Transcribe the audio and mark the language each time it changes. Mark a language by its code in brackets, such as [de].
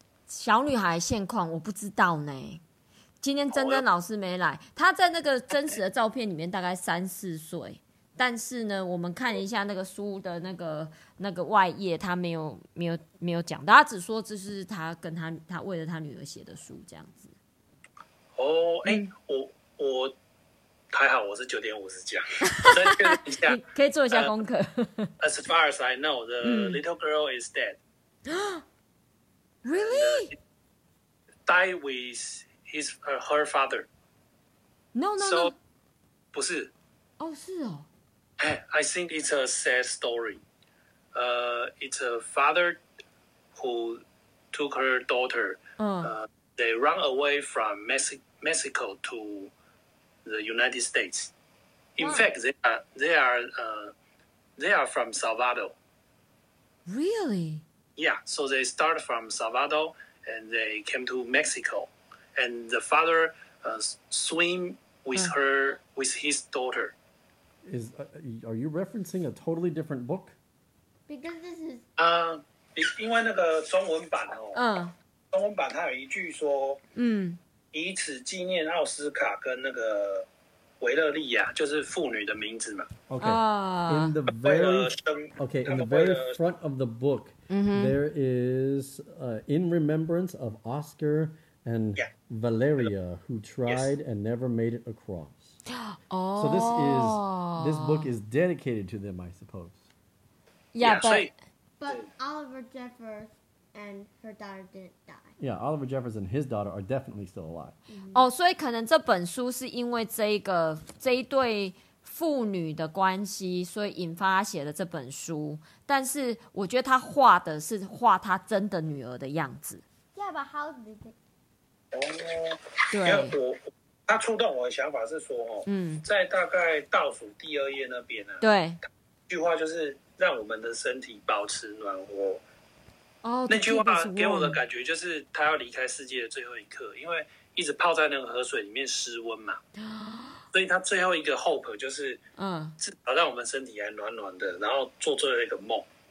[zh] 小女孩现况我不知道呢。今天真真老师没来，她在那个真实的照片里面大概三四岁，但是呢，我们看一下那个书的那个外页，她没有讲到，她只说这是她跟她为了她女儿写的书这样子。哦，哎、欸，我。还好我是9:50这样，我再确认一下，你可以做一下功课。 [en] As far as I know, the little girl is dead. Really? Die with his her father. No. [zh] 不是。哦，是哦。 [en] I think it's a sad story. It's a father who took her daughter. They run away from Mexico to. The United States. In fact, they are from Salvador. Really? Yeah. So they start from Salvador and they came to Mexico, and the father swim with her with his daughter. Are you referencing a totally different book? Because this is [zh] 因为那个中文版哦，中文版它有一句说，以此纪念奥斯卡跟那个。维勒利亚就是妇女的名字嘛。 [en] Okay. In the very okay, in the very front of the book, there is in remembrance of Oscar and Valeria who tried and never made it across. Oh. So this book is dedicated to them, I suppose. Yeah, but Oliver Jeffers and her daughter didn't die. Yeah, Oliver Jeffers and his daughter are definitely still alive. Oh, so maybe this book is because of this pair of women, so it sparked this book. But I think he drew the picture of his daughter's real face. Yeah, but how did they? Oh, [zh] 对，他触动我的想法是说，在大概倒数第二页那边呢，对，一句话就是让我们的身体保持暖和。 [en] Oh, [zh] 那句话给我的感觉就是他要离开世界的最后一刻，因为一直泡在那个河水里面失温嘛，所以他最后一个 hope 就是，至少让我们身体还暖暖的，然后做最后一个梦。